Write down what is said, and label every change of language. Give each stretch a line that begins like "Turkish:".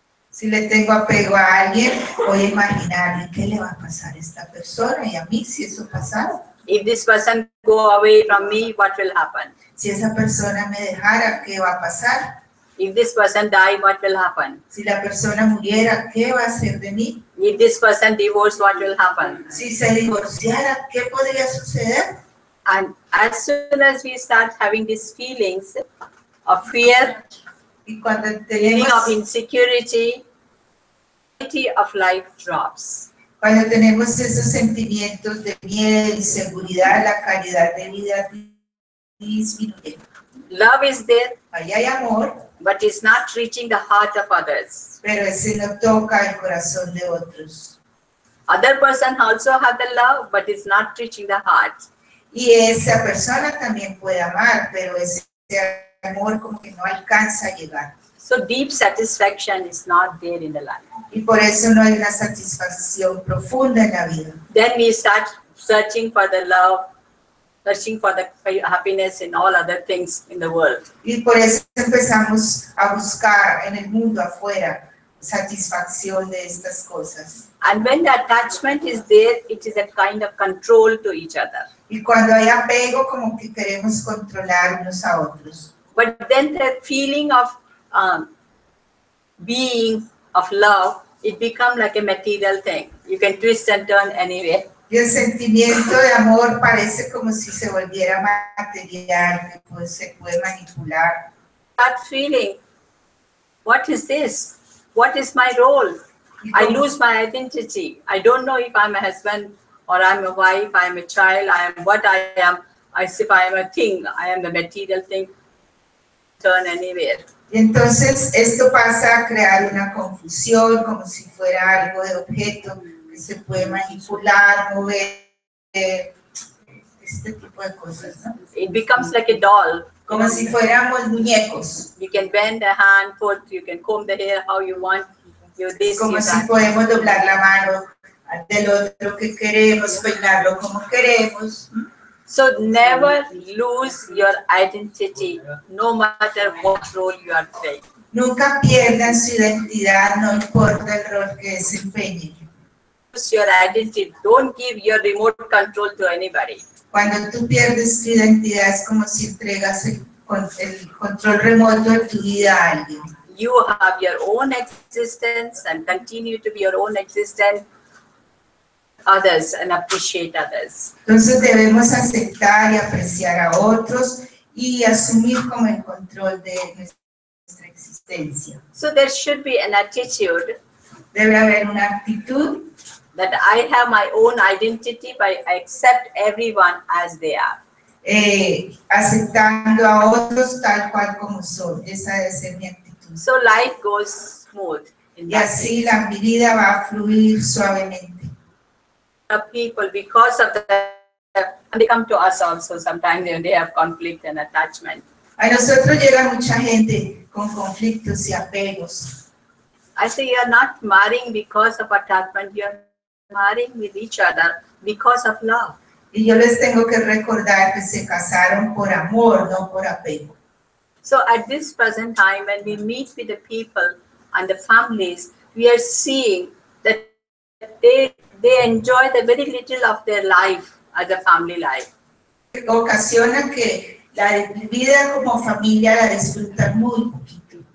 Spanish: Si le tengo apego a alguien, voy a imaginar qué le va a pasar a esta persona y a mí si eso pasara.
English: If this person go away from me, what will happen?
Spanish: Si esa persona me dejara, ¿qué va a pasar?
English: If this person die, what will happen?
Spanish: Si la persona muriera, ¿qué va a hacer de mí?
English: If this person divorce, what will happen?
Spanish: Si se divorciara, ¿qué podría suceder?
English: And as soon as we start having these feelings of fear, feeling of insecurity, quality of life drops.
Spanish: Cuando tenemos esos sentimientos de miedo, inseguridad, la calidad de vida disminuye.
English: Love is there.
Spanish: Ahí hay amor.
English: But it's not reaching the heart of others.
Spanish: Pero ese no toca el corazón de otros.
English: Other person also have the love, but it's not reaching the heart.
Spanish: Y esa persona también puede amar, pero ese amor como que no alcanza a llegar.
English: So deep satisfaction is not there in the life.
Spanish: Y por eso no hay una satisfacción profunda en la vida.
English: Then we start searching for the love, searching for the happiness in all other things in the world.
Spanish: Y por eso empezamos a buscar en el mundo afuera satisfacción de estas cosas.
English: And when the attachment is there, it is a kind of control to each other.
Spanish: Y cuando hay apego, como que queremos controlar unos a otros.
English: But then the feeling of being, of love, it becomes like a material thing. You can twist and turn anyway.
Spanish: Y el sentimiento de amor parece como si se volviera material, pues se puede manipular.
English: That feeling, what is this? What is my role? I lose my identity. I don't know if I'm a husband or I'm a wife, I'm a child, I am what I am. I see if I am a thing, I am the material thing. Turn anywhere.
Spanish: Y entonces esto pasa a crear una confusión como si fuera algo de objeto que se puede manipular, mover, este tipo de cosas, ¿no?
English: It becomes like a doll.
Spanish: Como si fuéramos muñecos.
English: You can bend the hand, foot, you can comb the hair how you want. This,
Spanish: como si podemos doblar la mano del otro que queremos, peinarlo como queremos.
English: So never lose your identity, no matter what role you are playing.
Spanish: Nunca pierdan su identidad, no importa el rol que desempeñen.
English: Lose your identity, don't give your remote control to anybody.
Spanish: Cuando tú pierdes tu identidad es como si entregas el control remoto de tu vida a alguien.
English: You have your own existence and continue to be your own existence. Others and appreciate others.
Spanish: Entonces debemos aceptar y apreciar a otros y asumir como el control de nuestra existencia.
English: So there should be an attitude.
Spanish: Debe haber una actitud.
English: That I have my own identity, but I accept everyone as they are.
Spanish: Aceptando a otros tal cual como son. Esa debe ser mi actitud.
English: So life goes smooth.
Spanish: Y así la vida va a fluir suavemente.
English: The people, because of the, they come to us also sometimes when they have conflict and attachment.
Spanish: A nosotros llega mucha gente con conflictos y apegos.
English: I say you are not marrying because of attachment. You are marrying with each other because of love.
Spanish: Y yo les tengo que recordar que se casaron por amor, no por apego.
English: So at this present time, when we meet with the people and the families, we are seeing that they enjoy the very little of their life as a family life.
Spanish: Ocasiona que la vida como familia la disfruta muy poquito.